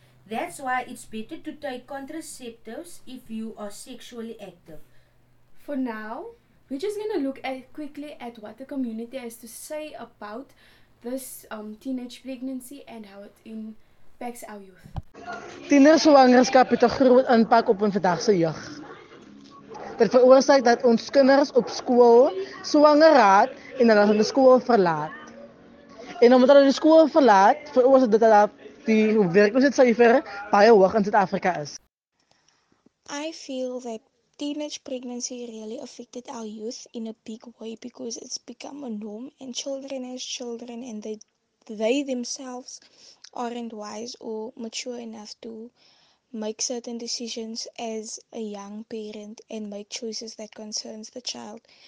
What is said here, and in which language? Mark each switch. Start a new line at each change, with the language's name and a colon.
English: That's why it's better to take contraceptives if you are sexually active. For now, we're just going to look at quickly at what the community has to say about this teenage pregnancy and how it impacts our youth.
Afrikaans: Tienerswangerskap het 'n groot impak op 'n vandagse jeug. Dit veroorsaak dat ons kinders op skool swanger raak en hulle die skool verlaat. En omdat hulle die skool verlaat, veroorsaak dit dat die werkloosheidsyfer baie hoog in Suid-Afrika is.
English: I feel that teenage pregnancy really affected our youth in a big way because it's become a norm and children as children and they themselves aren't wise or mature enough to make certain decisions as a young parent and make choices that concerns the child.